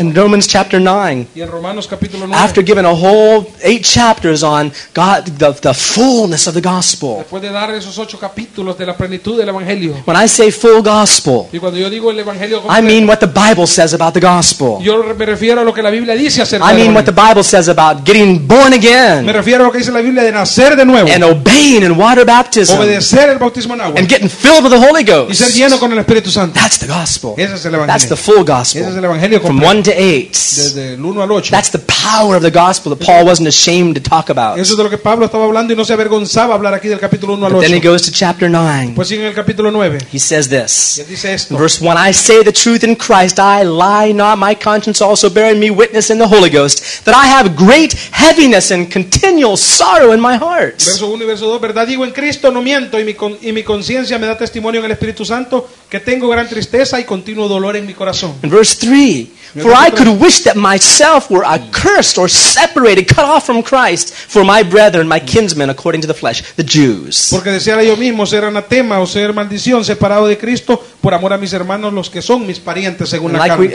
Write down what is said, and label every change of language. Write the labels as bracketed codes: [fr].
[en] In Romans chapter 9, [es] y en Romanos capítulo 9, [en] after giving a whole 8 chapters on God, the fullness of the gospel, [es] después de dar esos 8 capítulos de la plenitud del evangelio, [en] when I say full gospel, [es] y cuando yo digo el evangelio completo, [en] I mean what the Bible says about the gospel. [es] Yo me refiero a lo que la Biblia dice acerca [en] I mean [es] del [en] what the Bible says about getting born again, [es] me refiero a lo que dice la Biblia de nacer de nuevo, [en] and obeying in water baptism. [es] Obedecer el bautismo en agua. [en] And getting filled with the Holy Ghost. [es] Y ser lleno con el Espíritu Santo. [en] That's the gospel. [es] Ese es el evangelio. [en] That's the full gospel. [es] Ese es el evangelio completo. [en] From 1 to 8. [es] Desde el 1 al 8. [en] That's the power of the gospel that Paul wasn't ashamed to talk about. [es] Eso es de lo que Pablo estaba hablando y no se avergonzaba hablar aquí del capítulo 1 al 8. [en] But then he goes to chapter 9. [es] Pues sigue en el capítulo 9. [en] He says this. [es] Y dice esto. [en] Verse 1, I say the truth in Christ, I lie not, my conscience also bearing me witness in the Holy Ghost, that I have great heaviness and continual sorrow in my heart. [es] Verso 1 y verso 2, verdad digo en Cristo, no miento, y mi conciencia me da testimonio en el Espíritu Santo, que tengo gran tristeza y continuo dolor en mi corazón. [en] In verse 3, for I could wish that myself were accursed or separated, cut off from Christ, for my brethren, my kinsmen, according to the flesh, the Jews. [es] Porque deseara yo mismo ser anatema o ser maldición, separado de Cristo, por amor a mis hermanos, los que son mis parientes, según la carne.